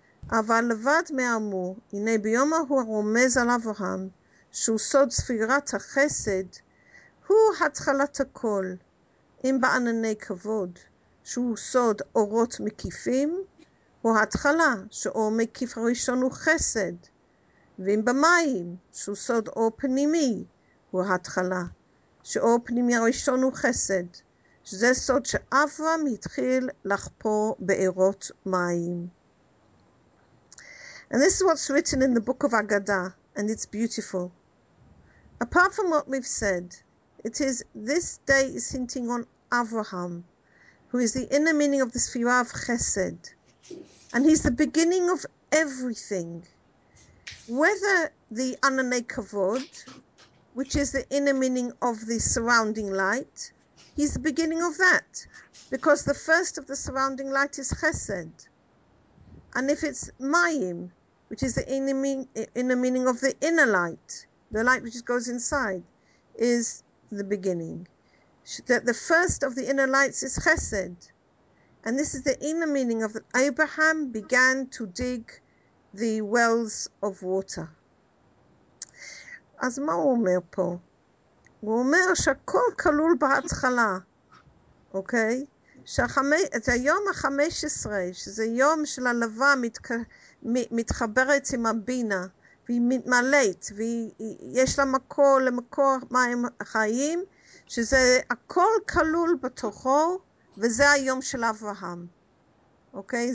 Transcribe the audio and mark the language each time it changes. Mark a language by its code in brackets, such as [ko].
[he] אבל לבד מאמור, הנה ביום ההוא רומז על אברהם, שהוא סוד ספירת החסד, הוא התחלת הכל, אם בענני כבוד, שהוא סוד אורות מקיפים, הוא התחלה, שאור מקיף הראשון הוא חסד, ואם במים, שהוא סוד אור פנימי, הוא התחלה, שאור פנימי הראשון הוא חסד, שזה סוד שאברהם התחיל לחפור בעירות מים. [en] And this is what's written in the book of Agadah, and it's beautiful. Apart from what we've said, it is this day is hinting on Avraham, who is the inner meaning of the Sfira of Chesed. And he's the beginning of everything. Whether the Anane Kavod, which is the inner meaning of the surrounding light, he's the beginning of that. Because the first of the surrounding light is Chesed. And if it's Mayim, which is the inner meaning of the inner light, the light which goes inside, is the beginning. That the first of the inner lights is Chesed. And this is the inner meaning of that Abraham began to dig the wells of water. [he] אז מה הוא אומר פה? הוא אומר שהכל כלול בהתחלה, אוקיי? את היום ה-15, שזה יום של הלווה מתחברת עם הבינה, והיא מתמלאת, ויש לה מקור למקור מים חיים, שזה הכל כלול בתוכו, וזה היום של אברהם. אוקיי?